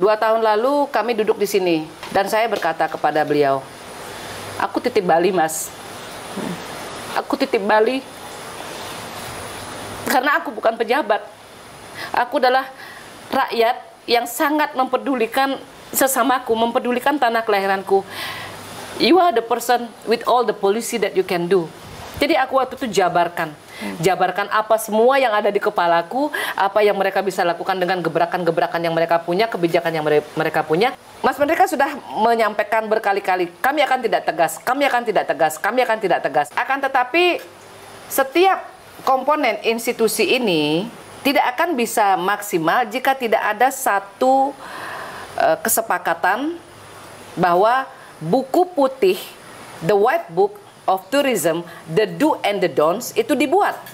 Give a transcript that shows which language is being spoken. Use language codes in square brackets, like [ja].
[id] 2 tahun lalu kami duduk di sini, dan saya berkata kepada beliau, aku titip Bali Mas, aku titip Bali, karena aku bukan pejabat. Aku adalah rakyat yang sangat mempedulikan sesamaku, mempedulikan tanah kelahiranku. [en] You are the person with all the policy that you can do. [id] Jadi aku waktu itu jabarkan apa semua yang ada di kepalaku, apa yang mereka bisa lakukan dengan gebrakan-gebrakan yang mereka punya, kebijakan yang mereka punya. Mas Menteri kan sudah menyampaikan berkali-kali, kami akan tidak tegas, kami akan tidak tegas, kami akan tidak tegas. Akan tetapi setiap komponen institusi ini tidak akan bisa maksimal jika tidak ada satu kesepakatan bahwa buku putih, [en] the white book of tourism, the do and the don'ts [id] itu dibuat.